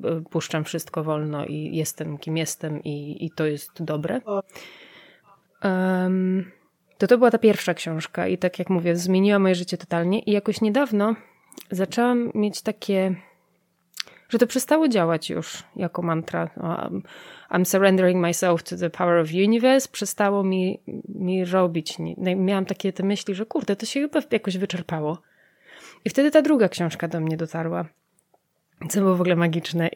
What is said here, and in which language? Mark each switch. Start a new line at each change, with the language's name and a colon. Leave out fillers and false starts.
Polish: Puszczam wszystko wolno i jestem kim jestem i to jest dobre. To była ta pierwsza książka i tak jak mówię, zmieniła moje życie totalnie i jakoś niedawno zaczęłam mieć takie, że to przestało działać już jako mantra.
English: I'm surrendering myself to the power of universe.
Polish: Przestało mi robić. Miałam takie te myśli, że kurde, to się chyba jakoś wyczerpało. I wtedy ta druga książka do mnie dotarła. Co było w ogóle magiczne.